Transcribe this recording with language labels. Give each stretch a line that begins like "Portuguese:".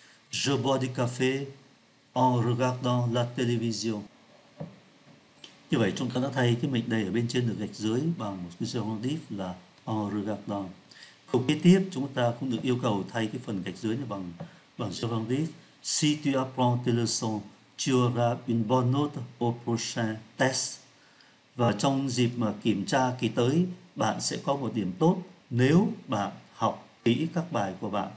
French: Je bois du café en regardant la télévision.
Vietnamese: Như vậy chúng ta đã thay cái mệnh đề ở bên trên được gạch dưới bằng một cái gerundif là en regardant. Câu kế tiếp chúng ta cũng được yêu cầu thay cái phần gạch dưới này bằng bằng gerundif.
French: Si tu apprends tes leçons, tu auras une bonne note au prochain test.
Vietnamese: Và trong dịp mà kiểm tra kỳ tới, bạn sẽ có một điểm tốt nếu bạn học kỹ các bài của bạn.